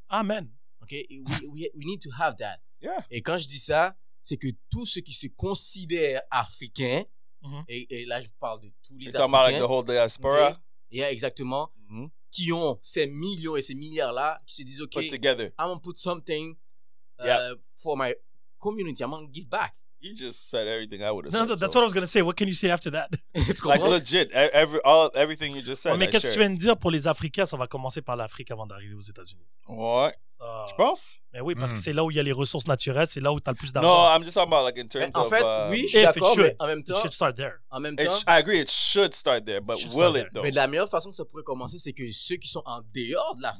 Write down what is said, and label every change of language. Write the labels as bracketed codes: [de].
[en] Amen. OK, we need to have that. Yeah. [fr] Et quand je dis ça, c'est que tous ceux qui se considèrent africains et là je parle de tous les c'est africains [en] comme like the whole diaspora. Okay? Yeah, exactement. [fr] Qui ont ces millions et ces milliards là qui se disent OK, [en] put together. I'm gonna put something for my community, I'm gonna give back. You just said everything I would have said. No, that's what I was gonna say. What can you say after that? It's like legit. Everything you just said. [fr] Mais qu'est-ce que tu viens de dire pour les Africains? Ça va commencer par l'Afrique avant d'arriver aux États-Unis. Ouais. Tu penses? Mais oui, parce que c'est là où il y a les ressources naturelles, c'est là où t'as le plus d'argent. [en] No, I'm just talking about like in terms of. [fr] En fait, oui, je suis d'accord. En même temps, [en] it should start there. [fr] En même temps, [en] I agree. It should start there, but will it though? [fr] Mais la meilleure façon que ça pourrait commencer, c'est que ceux qui sont en dehors de l'Afrique.